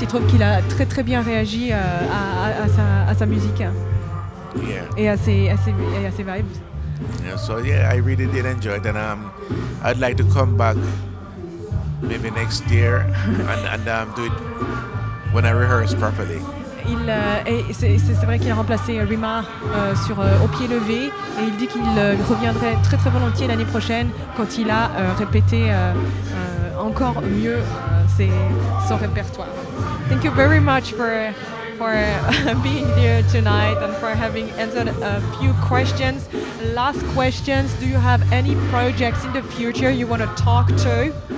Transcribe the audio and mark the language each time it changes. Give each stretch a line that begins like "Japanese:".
French: Il trouve qu'il a très très bien réagi à sa musique.
English: Yeah.
French: Et à ses vibes.
English: Yeah, so yeah, I really did enjoy it, and I'd like to come back maybe next year and do it when I rehearse properly.
French: C'est vrai qu'il a remplacé Rima au pied levé, et il dit qu'il reviendrait très très volontiers l'année prochaine quand il a répété encore mieux son répertoire.
English: Thank you very much for being here tonight and for having answered a few questions. Last questions, do you have any projects in the future you want to talk to?